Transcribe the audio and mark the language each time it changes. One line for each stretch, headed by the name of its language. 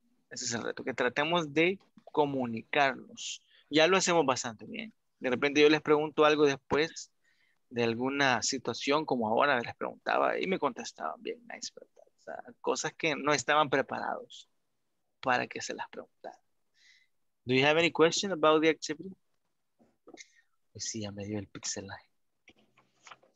Spanish: Ese es el reto, que tratemos de comunicarnos. Ya lo hacemos bastante bien. De repente yo les pregunto algo después de alguna situación, como ahora les preguntaba, y me contestaban bien, nice, ¿verdad? O sea, cosas que no estaban preparados para que se las preguntara.
English: Do you have any question about the activity?
Spanish: Pues sí, ya me dio el pixel line.